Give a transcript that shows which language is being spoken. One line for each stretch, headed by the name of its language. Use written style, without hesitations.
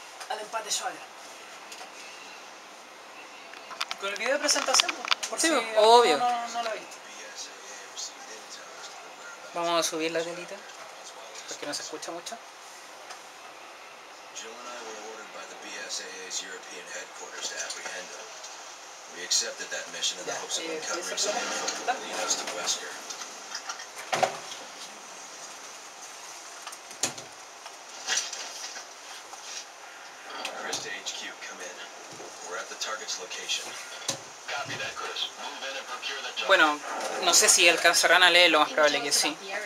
Spanish: Al empate suave. Con el video de presentación, por sí, si obvio. No lo he visto. Vamos a subir la telita, porque no se escucha mucho.
English: Jill and I were ordered by the BSAA's European headquarters to apprehend him. We accepted that mission in the hopes of uncovering some info that would lead us to Wesker. Chris to HQ, come in. We're at the target's location. Copy that, Chris. Move in and procure the target.
Spanish: Bueno, no sé si alcanzarán a leerlo, más probable que sí.